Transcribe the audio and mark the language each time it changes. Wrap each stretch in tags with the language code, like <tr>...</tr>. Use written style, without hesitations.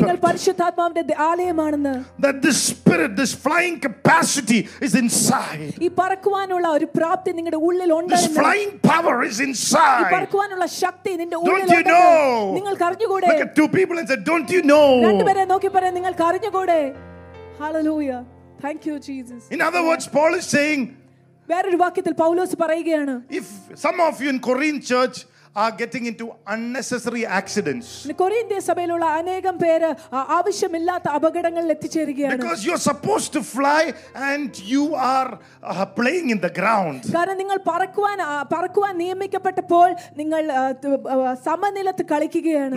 <ml>നിങ്ങൾ പരിശുദ്ധാത്മാവിന്റെ ആലയമാണെന്ന്.</ml> <en>That the spirit, this flying capacity is inside.</en> <ml>ഈ പറക്കുവാനുള്ള ഒരു പ്രാപ്തി നിങ്ങളുടെ ഉള്ളിൽ ഉണ്ട് എന്ന്.</ml> <en>This flying power is inside.</en> <ml>ഈ പറക്കുവാനുള്ള ശക്തി നിന്റെ ഉള്ളിൽ ഉണ്ട്.</ml> <en>Don't you know?</en> <ml>നിങ്ങൾക്ക് അറിഞ്ഞുകൂടെ?</ml> <en>Look at two people and say, don't you know?</en> <ml>രണ്ട് പേരെ നോക്കി പറയ നിങ്ങൾക്ക് അറിഞ്ഞുകൂടെ?</ml> <en>Hallelujah. Thank you Jesus. In other words, Paul is saying</en> <ml>വേറൊരു വാക്യത്തിൽ പൗലോസ് പറയുകയാണ്</ml> <en>if some of you in Korean church are getting into unnecessary accidents</en> <ml>കൊരിന്ത്യ സഭയിലുള്ള അനേകം പേര് ആവശ്യമില്ലാത്ത അപകടങ്ങളിൽ എത്തിച്ചേരുകയാണ്</ml> <en>because you are supposed to fly and you are playing in the ground</en> <ml>കാരണം നിങ്ങൾ പറക്കുവാൻ നിയമിക്കപ്പെട്ടപ്പോൾ നിങ്ങൾ സമനിലത്ത് കളിക്കുകയാണ്</ml>